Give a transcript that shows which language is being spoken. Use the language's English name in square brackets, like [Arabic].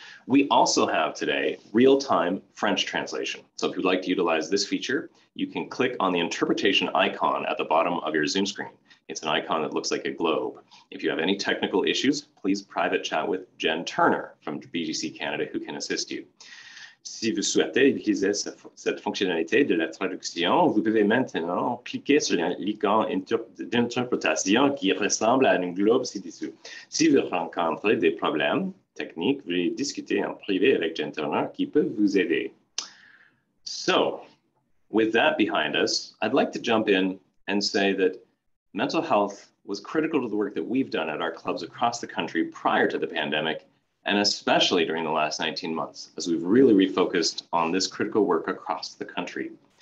[English] We also have today real-time French translation. So if you'd like to utilize this feature, you can click on the interpretation icon at the bottom of your Zoom screen. It's an icon that looks like a globe. If you have any technical issues, please private chat with Jen Turner from BGC Canada, who can assist you. [French] Si vous souhaitez utiliser cette fonctionnalité de la traduction, vous pouvez maintenant cliquer sur l'icône d'interprétation qui ressemble à un globe ci-dessous. Si vous rencontrez des problèmes techniques, veuillez discuter en privé avec Jen Turner qui peut vous aider. [English] So, with that behind us, I'd like to jump in and say that mental health was critical to the work that we've done at our clubs across the country prior to the pandemic, and especially during the last 19 months, as we've really refocused on this critical work across the country.